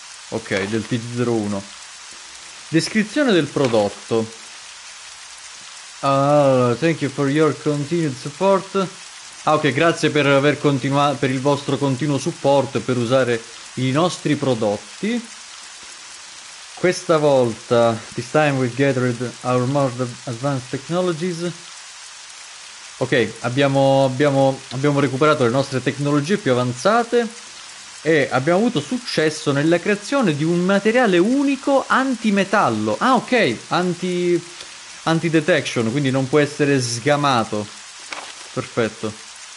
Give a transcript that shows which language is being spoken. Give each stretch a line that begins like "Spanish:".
Italian: Ok, del TG01. Descrizione del prodotto.
English: Thank you for your continued support.
Italian: Ah, ok, grazie per aver continuato, per il vostro continuo supporto e per usare i nostri prodotti. Questa volta,
English: this time we gathered our most advanced technologies.
Italian: Ok, abbiamo recuperato le nostre tecnologie più avanzate e abbiamo avuto successo nella creazione di un materiale unico antimetallo. Ah, ok, anti-detection, quindi non può essere sgamato. Perfetto.